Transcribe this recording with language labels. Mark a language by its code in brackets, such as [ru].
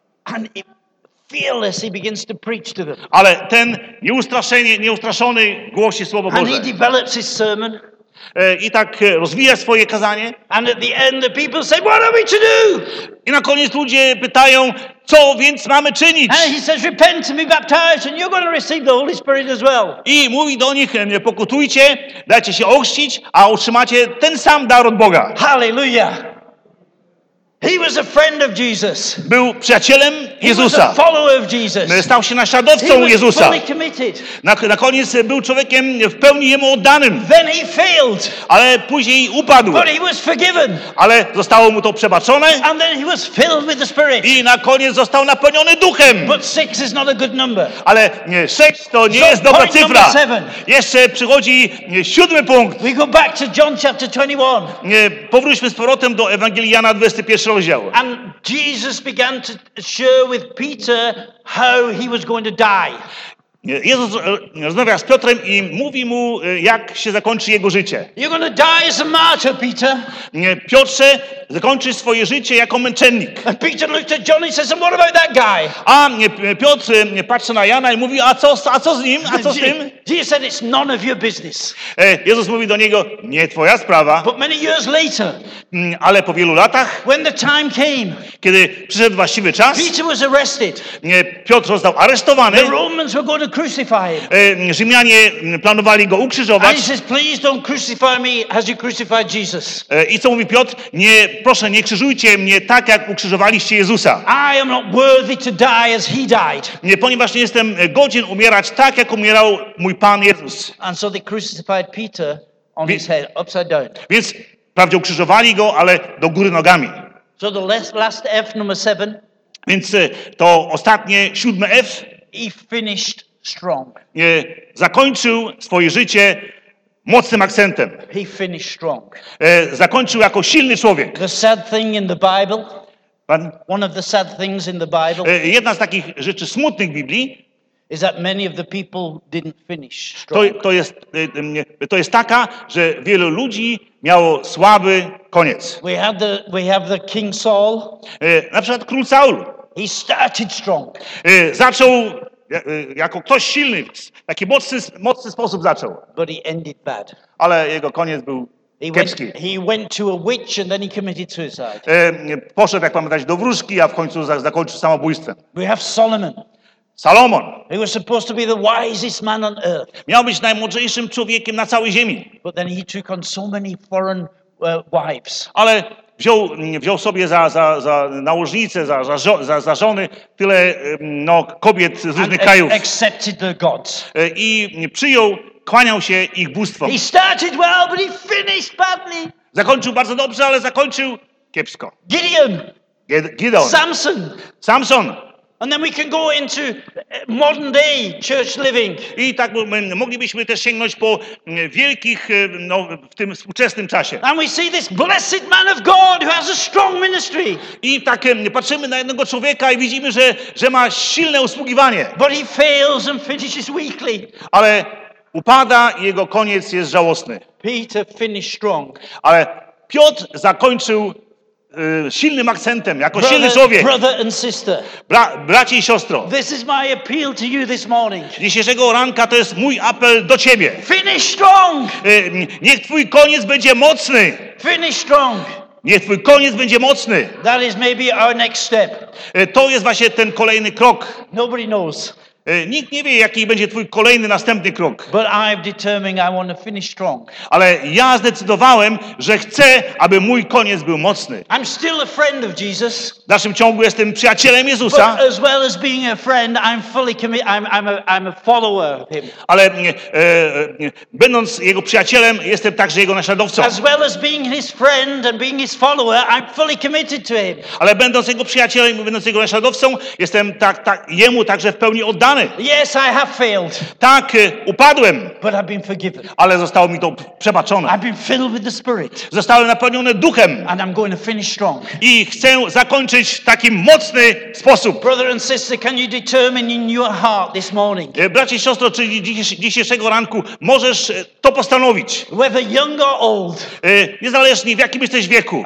[en] And fearless, he begins to preach to them. [pl] Ale ten nieustraszony głosi Słowo Boże. [en] And he develops his sermon. [pl] I tak rozwija swoje kazanie. [en] And at the end the people say, what are we to do? [pl] I na koniec ludzie pytają, co więc mamy czynić? [en] And he says, repent and be baptized and you're going to receive the Holy Spirit as well. [pl] I mówi do nich, pokutujcie, dajcie się ochrzcić, a otrzymacie ten sam dar od Boga. [en] Hallelujah. He was a friend of Jesus. [pl] Był przyjacielem Jezusa. [en] He was a follower of Jesus. [pl] Stał się naśladowcą Jezusa. [en] Fully committed. [pl] Na koniec był człowiekiem w pełni Jemu oddanym. [en] Then he failed. [pl] Ale później upadł. [en] But he was forgiven. [pl] Ale zostało mu to przebaczone. [en] And then he was filled with the Spirit. [pl] I na koniec został napełniony Duchem. [en] But 6 is not a good number. [pl] Ale 6 to nie jest dobra cyfra. [en] Point number 7. [pl] Jeszcze przychodzi 7 punkt. [en] We go back to John chapter 21. [pl] Powróćmy z powrotem do Ewangelii Jana 21. [en] And Jesus began to share with Peter how he was going to die. [pl] Jezus rozmawia z Piotrem i mówi mu, jak się zakończy jego życie. [en] You're going to die as a martyr, Peter. [pl] Piotrze, zakończysz swoje życie jako męczennik. [en] And Peter looked at John and says, what about that guy? [pl] A Piotr patrzy na Jana i mówi, a co z nim? A co z tym? [en] Jesus said, it's none of your business. [pl] Jezus mówi do niego, nie twoja sprawa. [en] But many years later, [pl] ale po wielu latach, [en] when the time came, [pl] kiedy przyszedł właściwy czas, [en] Peter was arrested. [pl] Piotr został aresztowany. [en] The Romans were going to crucify him. [pl] Rzymianie planowali go ukrzyżować. [en] And he says, please don't crucify me as you crucified Jesus. [pl] I co mówi Piotr? Nie, proszę, nie krzyżujcie mnie tak, jak ukrzyżowaliście Jezusa. [en] I am not worthy to die as he died. [pl] Nie, ponieważ nie jestem godzien umierać tak, jak umierał mój Pan Jezus. [en] And so they crucified Peter on his head, upside down. [pl] Więc wprawdzie ukrzyżowali go, ale do góry nogami. [en] So the last F, number seven. [pl] Więc to ostatnie, siódme F. [en] He finished strong. [pl] Zakończył swoje życie mocnym akcentem. [en] He finished strong. [pl] Zakończył jako silny człowiek. [en] The sad thing in the Bible. One of the sad things in the Bible. [pl] Jedna z takich rzeczy smutnych w Biblii. [en] Is that many of the people didn't finish strong. [pl] To jest taka, że wielu ludzi miało słaby koniec. [en] We have the King Saul. [pl] Na przykład król Saul. [en] He started strong. [pl] Zaczął jako ktoś silny, w taki mocny sposób zaczął. [en] But he ended bad. [pl] Ale jego koniec był kiepski. [en] He went to a witch and then he committed suicide. [pl] Poszedł, jak pamiętać, do wróżki, a w końcu zakończył samobójstwem. [en] We have Solomon. [pl] Salomon. [en] He was supposed to be the wisest man on earth. [pl] Miał być najmądrzejszym człowiekiem na całej ziemi. [en] But then he took on so many foreign wives. [pl] Ale wziął sobie za nałożnicę, za żony tyle kobiet z różnych [en] and [pl] krajów. [en] Accepted the gods. [pl] I przyjął, kłaniał się ich bóstwom. [en] He started well, but he finished badly. [pl] Zakończył bardzo dobrze, ale zakończył kiepsko. [en] Gideon. [pl] Gideon. [en] Samson. [pl] Samson. [en] And then we can go into modern day church living. [pl] I tak moglibyśmy też sięgnąć po wielkich w tym współczesnym czasie. [en] And we see this blessed man of God who has a strong ministry. [pl] I tak patrzymy na jednego człowieka i widzimy, że ma silne usługiwanie. [en] But he fails and finishes weakly. [pl] Ale upada i jego koniec jest żałosny. [en] Peter finished strong. [pl] Ale Piotr zakończył silnym akcentem, jako [en] brother, [pl] silny człowiek. [en] Brother and sister. [pl] Bracie i siostro. [en] This is my appeal to you this morning. [pl] Dzisiejszego ranka to jest mój apel do ciebie. [en] Finish strong. [pl] Niech twój koniec będzie mocny. [en] Finish strong. [pl] Niech twój koniec będzie mocny. [en] That is maybe our next step. [pl] To jest właśnie ten kolejny krok. [en] Nobody knows. [pl] Nikt nie wie, jaki będzie twój kolejny, następny krok. [en] But I've determined I want to finish strong. [pl] Ale ja zdecydowałem, że chcę, aby mój koniec był mocny. [en] I'm still a friend of Jesus. [pl] W dalszym ciągu jestem przyjacielem Jezusa. [en] But as well as being a friend, I'm fully committed. I'm a follower of him. [pl] Ale będąc jego przyjacielem, jestem także jego naśladowcą. [en] As well as being his friend and being his follower, I'm fully committed to him. [pl] Ale będąc jego przyjacielem i będąc jego naśladowcą, jestem tak jemu także w pełni oddany. [en] Yes, I have failed. [pl] Tak, upadłem. [en] But I've been forgiven. [pl] Ale zostało mi to przebaczone. [en] I've been filled with the Spirit. [pl] Zostałem napełniony Duchem. [en] And I'm going to finish strong. [pl] I chcę zakończyć w taki mocny sposób. [en] Brother and sister, can you determine in your heart this morning? [pl] Bracie i siostro, czy dzisiejszego ranku możesz to postanowić? [en] Whether young or old. [pl] Niezależnie w jakim jesteś wieku.